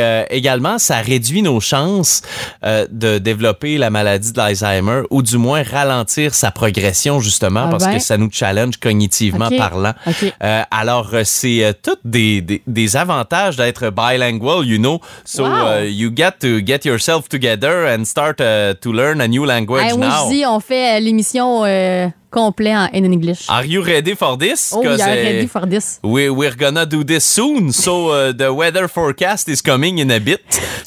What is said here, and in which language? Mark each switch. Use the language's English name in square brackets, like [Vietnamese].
[French] Également, ça réduit nos chances de développer la maladie d'Alzheimer ou du moins ralentir sa progression, justement, parce que ça nous challenge cognitivement parlant. Alors, c'est tout des avantages d'être [English] bilingual, you know. So, you get to get yourself together and start to learn a new language now. [French] Moi, je dis, on fait l'émission complète en English. [English] Are you ready for this? Oh, you're ready for this. We're gonna do this soon. So, the weather forecast is coming in a bit.